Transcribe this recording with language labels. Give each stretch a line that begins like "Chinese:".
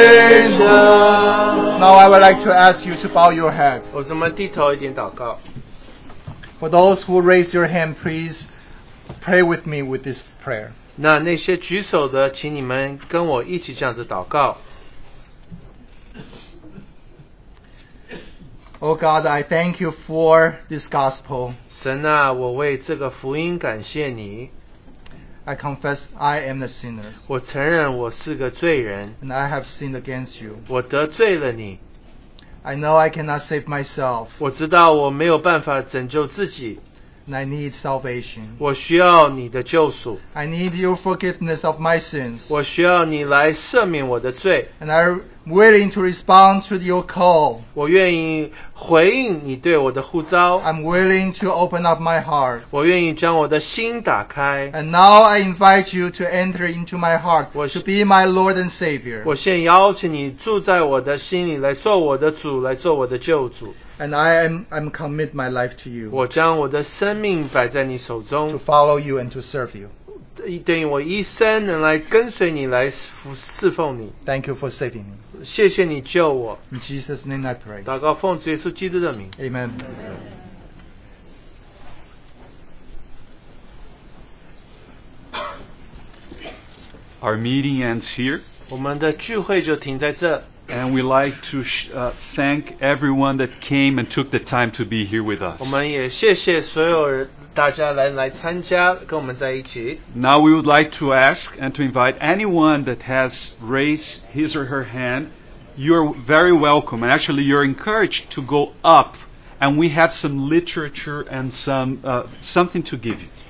English: like to ask you to bow your head.
Chinese: 我怎么低头一点祷告?
English: For those who raise your hand, please pray with me with this prayer.
Chinese: 那些举手的, 请你们跟我一起这样子祷告。
English: Oh God, I thank you for this gospel.
Chinese: 神啊, 我为这个福音感谢你。
English: I confess I am a sinner.
Chinese: 我承认我是个罪人。
English: And I have sinned against you.
Chinese: 我得罪了你。
English: I know I cannot save myself.
Chinese: 我知道我没有办法拯救自己。
English: And I need salvation.
Chinese: 我需要你的救赎。
English: I need your forgiveness of my sins.
Chinese: 我需要你来赦免我的罪。
English: And I'm willing to respond to your call.
Chinese: 我愿意回应你对我的呼召。
English: I'm willing to open up my heart.
Chinese: 我愿意将我的心打开。
English: And now I invite you to enter into my heart, to be my Lord and Savior.
Chinese: 我现在邀请你住在我的心里，来做我的主，来做我的救主。
English: And I'm commit my life to you.
Chinese: 我将我的生命摆在你手中,
English: to follow you and to serve you.
Chinese: 等于我一生能来跟随你来侍奉你。
English: Thank you for saving me.
Chinese: 谢谢你救我。
English: In Jesus name I pray.
Chinese: 祷告奉主耶稣基督的名。
English: Amen. Our meeting ends here.
Chinese: 我们的聚会就停在这。
English: And we like to thank everyone that came and took the time to be here with us.
Chinese: 我们也谢谢所有大家来参加跟我们在一起。
English: Now we would like to ask and to invite anyone that has raised his or her hand. You're very welcome. And actually, you're encouraged to go up. And we have some literature and something to give you.